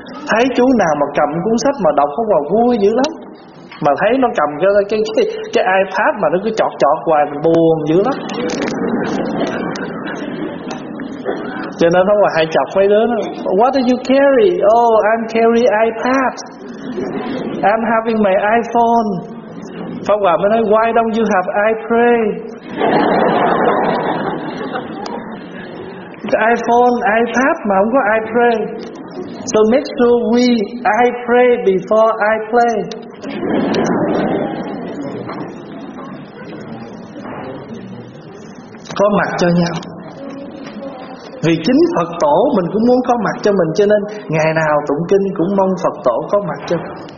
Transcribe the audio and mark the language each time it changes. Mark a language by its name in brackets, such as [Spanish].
[Vietnamese] Thấy chú nào mà cầm cuốn sách mà đọc Pháp Hòa vui dữ lắm. Mà thấy nó cầm cái iPad mà nó cứ chọt chọt hoài mình buồn dữ lắm. Cho nên Pháp Hòa hay chọc mấy đứa nó, [English] what do you carry? Oh, I'm carry iPad. I'm having my iPhone. Pháp Hòa [Vietnamese] mới nói, [English] why don't you have I pray? The iPhone, iPad [Vietnamese] mà không có [English] I pray. So make sure we I pray before I play. [Vietnamese] Có mặt cho nhau. Vì chính Phật tổ mình cũng muốn có mặt cho mình, cho nên ngày nào tụng kinh cũng mong Phật tổ có mặt cho mình.